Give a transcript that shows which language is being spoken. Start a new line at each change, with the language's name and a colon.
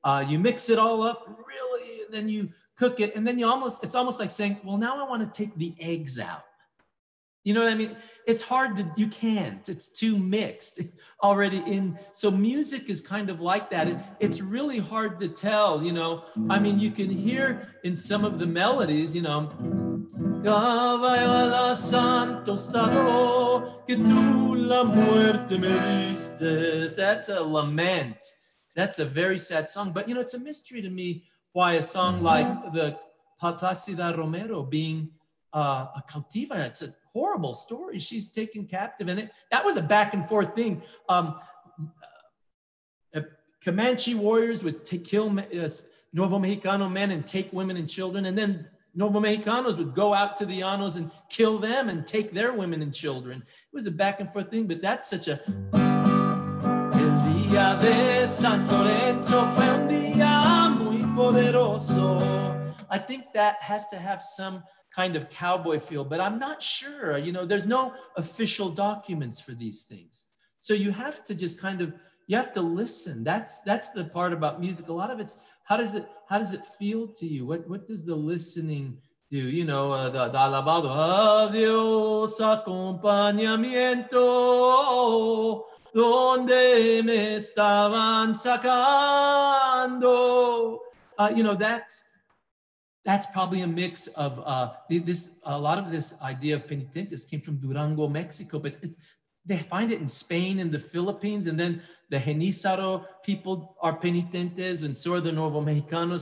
English: You mix it all up really, and then you cook it. And then it's almost like saying, well, now I want to take the eggs out. You know what I mean? It's hard to, you can't, it's too mixed already in. So music is kind of like that. It's really hard to tell, you know? I mean, you can hear in some of the melodies, you know.
Spanish: Caballo santo estado, que tú la muerte me diste.
English: That's a lament. That's a very sad song. But you know, it's a mystery to me why a song like the Patasida Romero being a cautiva, it's a horrible story. She's taken captive in it. That was a back and forth thing. Comanche warriors would kill Nuevo Mexicano men and take women and children. And then Nuevo Mexicanos would go out to the Llanos and kill them and take their women and children. It was a back and forth thing, but that's such a...
Spanish: El día de San Lorenzo fue un día muy poderoso.
English: I think that has to have some kind of cowboy feel, but I'm not sure. You know, there's no official documents for these things, so you have to just kind of, you have to listen. That's the part about music. A lot of it's how does it feel to you? What does the listening do?
Spanish: You know, the alabado, adiós acompañamiento, donde me estaban sacando.
English: You know, that's probably a mix of a lot of this idea of penitentes came from Durango, Mexico, but they find it in Spain and the Philippines, and then the Genisaro people are penitentes, and so are the Nuevo Mexicanos.